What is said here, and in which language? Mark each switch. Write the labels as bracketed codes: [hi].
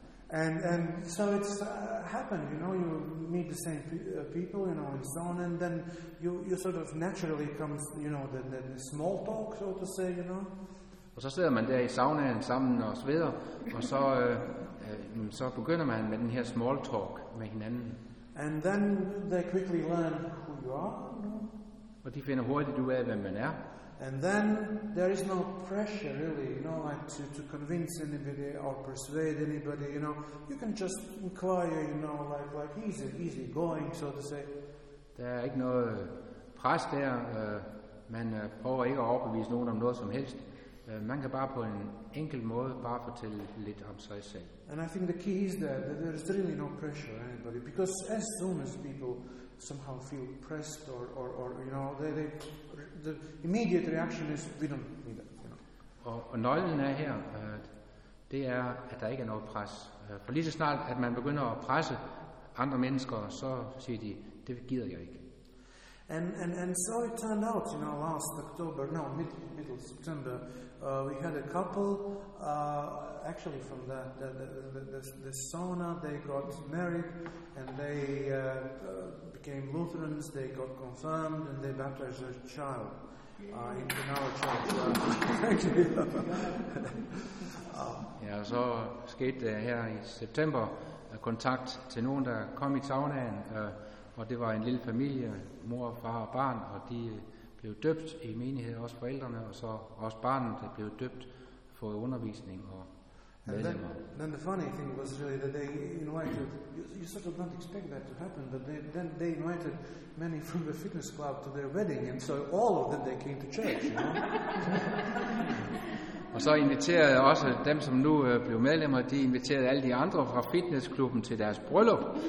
[en] And so it's happened, you know, you meet the same people, you know, and so on, and then you sort of naturally come, you know, the small talk, so to say, you know. [da] Og så sidder man der i saunaen sammen og sveder, og så så begynder man med den her small talk med hinanden. [en] And then they quickly learn who you are, you know. [da] Og de finder hurtigt ud af, hvem man er. [en] And then there is no pressure, really, you know, like to convince anybody or persuade anybody, you know. You can just inquire, you know, like easy going, so to say. [da] Der er ikke noget pres der. Man prøver ikke at overbevise nogen om noget som helst. Man kan bare på en enkel måde bare fortælle lidt om sig selv. [en] And I think the key is that there is really no pressure on anybody, because as soon as people somehow feel pressed or you know, they the immediate reaction is we don't need that, you know. [da] Og nøglen er her, det er, at der ikke er noget pres. For lige så snart, at man begynder at presse andre mennesker, så siger de, det gider jeg ikke. [en] And so it turned out, you know, last October, no, middle September, we had a couple, actually from the sauna, they got married, and they became Lutherans, they got confirmed, and they baptized their child in our church. Thank you. [da] Ja, og så skete det her i september, kontakt til nogen, der kom i saunaen, og det var en lille familie, mor, far og barn, og de blev døbt i menighed, også forældrene, og så også barnet blev døbt, fået undervisning. Og [en] Then the funny thing was really that they invited, you sort of don't expect that to happen, but then they invited many from the fitness club to their wedding, and so all of them, they came to church, you know. [da] Og så inviterede også dem, som nu blev medlemmer, de inviterede alle de andre fra fitnessklubben til deres bryllup.